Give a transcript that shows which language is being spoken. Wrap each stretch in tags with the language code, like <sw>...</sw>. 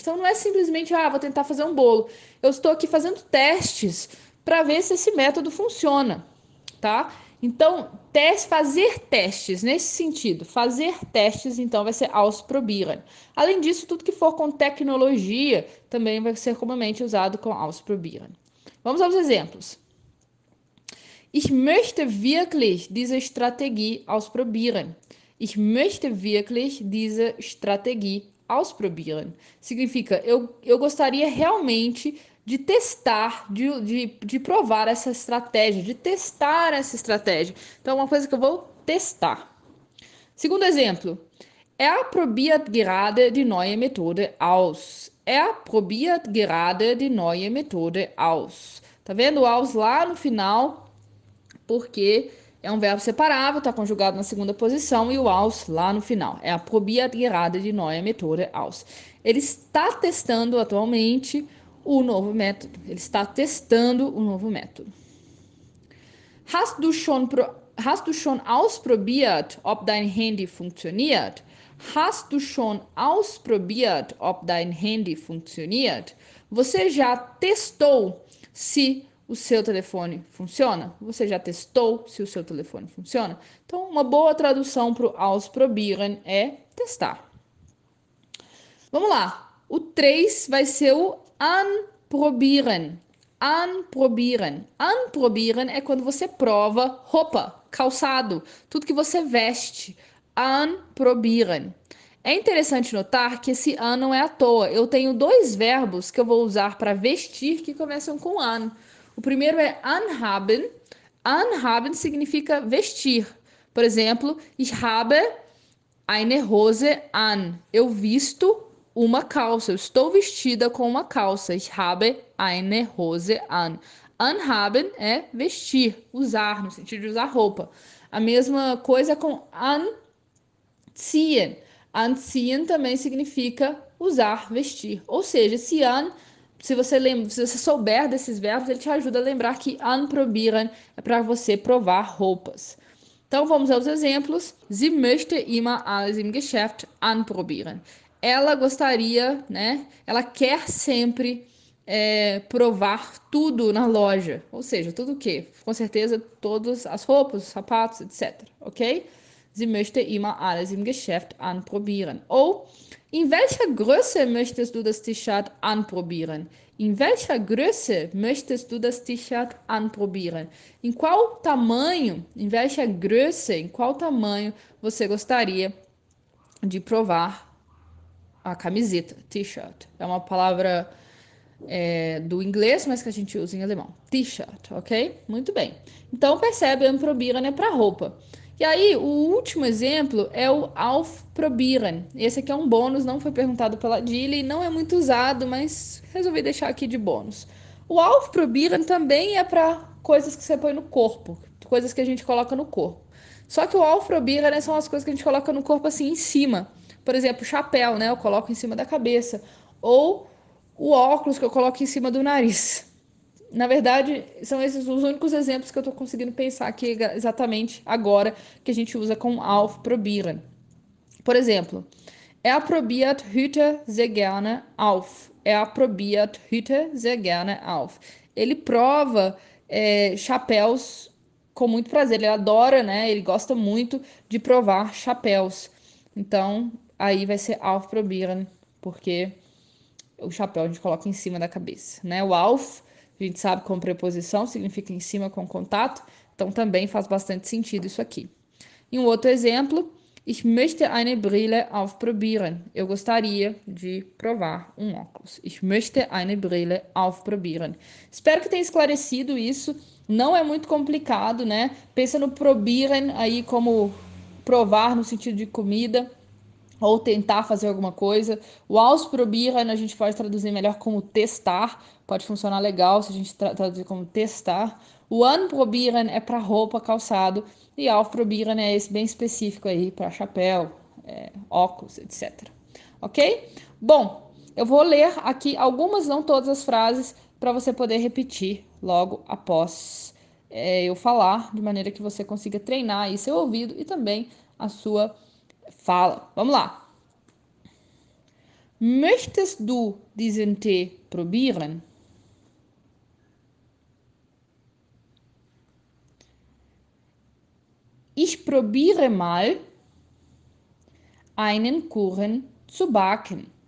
<pt>Então não é simplesmente, ah, vou tentar fazer um bolo. Eu estou aqui fazendo testes para ver se esse método funciona, tá? Então, fazer testes nesse sentido, fazer testes então vai ser ausprobieren. Além disso, tudo que for com tecnologia também vai ser comumente usado com ausprobieren. Vamos aos exemplos.</pt> <de>Ich möchte wirklich diese Strategie ausprobieren. Ich möchte wirklich diese Strategie ausprobieren.</de> <pt>Significa, eu gostaria realmente de testar, de provar essa estratégia, de testar essa estratégia. Então, é uma coisa que eu vou testar. Segundo exemplo.</pt> <de>Er probiert gerade die neue Methode aus. Er probiert gerade die neue Methode aus.</de> <pt>Tá vendo o aus lá no final? Porque é um verbo separável, tá conjugado na segunda posição, e o aus lá no final.</pt> <de>Er probiert gerade die neue Methode aus.</de> <pt>Ele está testando atualmente o novo método. Ele está testando o novo método.</pt> <de>Hast du schon ausprobiert, ob dein Handy funktioniert? Hast du schon ausprobiert, ob dein Handy funktioniert?</de> <pt>Você já testou se o seu telefone funciona? Você já testou se o seu telefone funciona? Então, uma boa tradução para o ausprobieren é testar. Vamos lá. O 3 vai ser o anprobieren. Anprobieren. Anprobieren é quando você prova roupa, calçado, tudo que você veste. Anprobieren. É interessante notar que esse an não é à toa. Eu tenho dois verbos que eu vou usar para vestir que começam com an. O primeiro é anhaben. Anhaben significa vestir. Por exemplo,</pt> <de>ich habe eine Hose an.</de> <pt>Eu visto uma calça. Eu estou vestida com uma calça.</pt> <de>Ich habe eine Hose an.</de> <pt>Anhaben é vestir, usar, no sentido de usar roupa. A mesma coisa com anziehen. Anziehen também significa usar, vestir. Ou seja, esse an, se você lembra, se você souber desses verbos, ele te ajuda a lembrar que anprobieren é para você provar roupas. Então vamos aos exemplos.</pt> <de>Sie möchte immer alles im Geschäft anprobieren.</de> <pt>Ela gostaria, né? Ela quer sempre provar tudo na loja. Ou seja, tudo o quê? Com certeza, todas as roupas, os sapatos, etc. Ok?</pt> <de>Sie möchte immer alles im Geschäft anprobieren.</de> <pt>Ou,</pt> <de>in welcher Größe möchtest du das T-Shirt anprobieren? In welcher Größe möchtest du das T-Shirt anprobieren?</de> <pt>Em qual tamanho,</pt> <de>in welcher Größe,</de> <pt>em qual tamanho você gostaria de provar a camiseta? T-Shirt. É uma palavra do inglês, mas que a gente usa em alemão. T-Shirt, ok? Muito bem. Então, percebe, anprobieren é para roupa. E aí, o último exemplo é o aufprobieren. Esse aqui é um bônus, não foi perguntado pela Dili, não é muito usado, mas resolvi deixar aqui de bônus. O aufprobieren também é para coisas que você põe no corpo, coisas que a gente coloca no corpo. Só que o aufprobieren, né, são as coisas que a gente coloca no corpo assim em cima. Por exemplo, o chapéu, né? Eu coloco em cima da cabeça. Ou o óculos que eu coloco em cima do nariz. Na verdade, são esses os únicos exemplos que eu estou conseguindo pensar aqui exatamente agora que a gente usa com aufprobieren. Por exemplo,</pt> <de>er probiert Hüte sehr gerne auf. Er probiert Hüte sehr gerne auf.</de> <pt>Ele prova chapéus com muito prazer. Ele adora, né? Ele gosta muito de provar chapéus. Então, aí vai ser aufprobieren, porque o chapéu a gente coloca em cima da cabeça, né? O auf. A gente sabe com preposição, significa em cima com contato, então também faz bastante sentido isso aqui. E um outro exemplo,</pt> <de>ich möchte eine Brille aufprobieren.</de> <pt>Eu gostaria de provar um óculos.</pt> <de>Ich möchte eine Brille aufprobieren.</de> <pt>Espero que tenha esclarecido isso. Não é muito complicado, né? Pensa no probieren aí como provar no sentido de comida. Ou tentar fazer alguma coisa. O ausprobieren a gente pode traduzir melhor como testar. Pode funcionar legal se a gente traduzir como testar. O anprobieren é para roupa, calçado. E aufprobieren é esse bem específico aí para chapéu, óculos, etc. Ok? Bom, eu vou ler aqui algumas, não todas as frases, para você poder repetir logo após eu falar, de maneira que você consiga treinar aí seu ouvido e também a sua fala. Vamos lá.</pt> <de>Möchtest du diesen Tee probieren? Ich probiere mal einen Kuchen zu backen.</de>